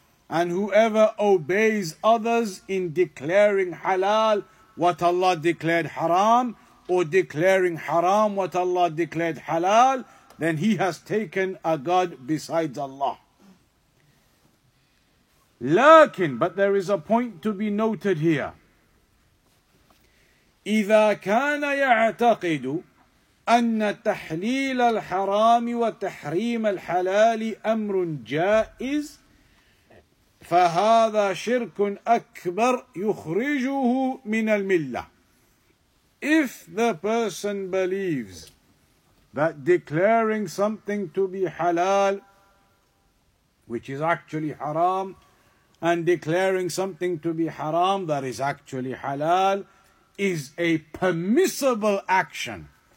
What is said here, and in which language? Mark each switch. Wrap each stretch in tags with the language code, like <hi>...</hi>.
<en>And whoever obeys others in declaring halal what Allah declared haram, or declaring haram what Allah declared halal, then he has taken a god besides Allah.</en> <ar>لكن,</ar> <en>but there is a point to be noted here.</en> <ar>إذا كان يعتقد أن تحليل الحرام وتحريم الحلال أمر جائز فهذا شرك أكبر يخرجه من الملة.</ar> <en>If the person believes that declaring something to be halal, which is actually haram, and declaring something to be haram that is actually halal, is a permissible action.</en>